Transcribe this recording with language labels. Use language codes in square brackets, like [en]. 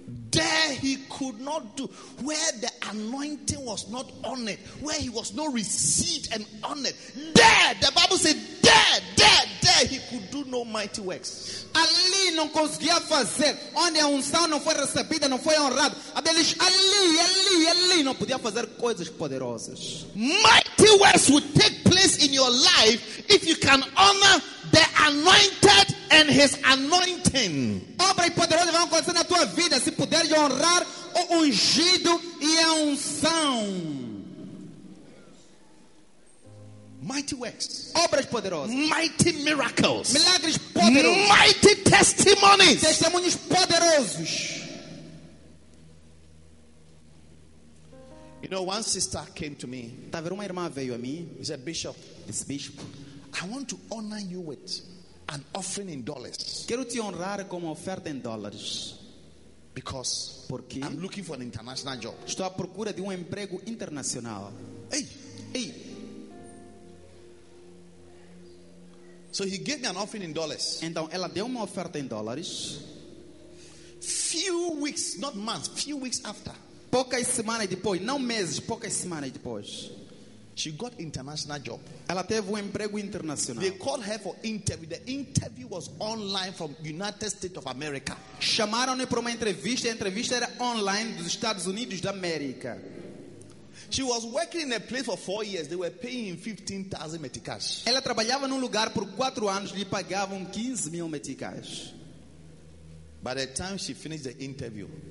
[en] There he could not do, where the anointing was not honored, where he was not received and honored. There, the Bible said, there he could do no mighty works. [pt] Ali não conseguia fazer, onde a unção não foi recebida, não foi honrada. Ali não podia fazer coisas poderosas. [en] Mighty works would take place in your life if you can honor the anointed and his anointing. [pt] Obra e poderosa vão acontecer na tua vida se puderes honrar o ungido e a unção. [en] Mighty works. [pt] Obras poderosas. [en] Mighty miracles. [pt] Milagres poderosos. [en] Mighty testimonies. [pt] Testemunhos poderosos. [en] You know, one sister came to me. [pt] Tá vendo, uma irmã veio a mim. [en] He said, Bishop. This bishop. I want to honor you with an offering in dollars. [pt] Quero te honrar com uma oferta em dólares. [en] Because [pt] porque [en] I'm looking for an international job. [pt] Estou à procura de emprego internacional. Hey. [en] So he gave me an offering in dollars. [pt] Então ela deu uma oferta em dólares. [en] Few weeks, not months, few weeks after. [pt] Poucas semanas depois, não meses, poucas semanas depois. [en] She got international job. [pt] Ela teve emprego internacional. [en] They called her for interview. The interview was online from United States of America. [pt] Chamaram-na para uma entrevista. A entrevista era online dos Estados Unidos da América. [en] She was working in a place for 4 years. They were paying 15,000 meticais. [pt] Ela trabalhava num lugar por 4 anos. Lhe pagavam 15 mil meticais. [en] By the time she finished the interview.